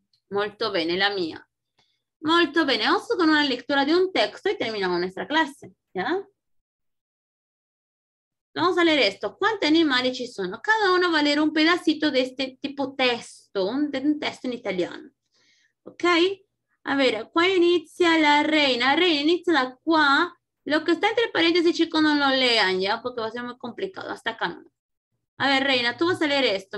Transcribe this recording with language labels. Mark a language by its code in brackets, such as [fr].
[it] Molto bene, [es] la mía. [it] Molto bene. [es] Vamos con una lectura de un texto y terminamos nuestra clase, ¿ya? Vamos a leer esto. ¿Cuántos animales [it] ci sono? [es] Cada uno va a leer un pedacito de este tipo texto, un texto en italiano. ¿Ok? A ver, [it] qua inizia la reina. La reina inizia da qua. [es] Lo que está entre paréntesis, chicos, no lo lean, ¿ya? Porque va a ser muy complicado. Hasta acá no. A ver, reina, tú vas a leer esto.